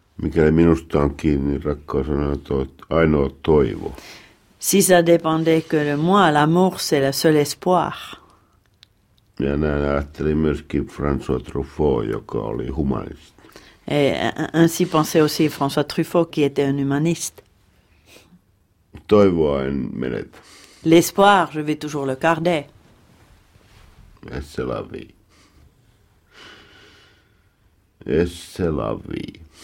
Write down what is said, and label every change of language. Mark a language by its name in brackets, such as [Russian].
[Finnish] Mikäli minusta on kiinni, rakkaus on ainoa toivo. [French] Si ça dépendait que de moi, l'amour, c'est le seul espoir. [Finnish] Ja näin ajattelin myöskin François Truffaut, joka oli humaniste. [French] Et ainsi pensait aussi François Truffaut, qui était un humaniste. [Finnish] Toivoa en menetä. [French] L'espoir, je vais toujours le garder. Et c'est la vie. Et c'est la vie.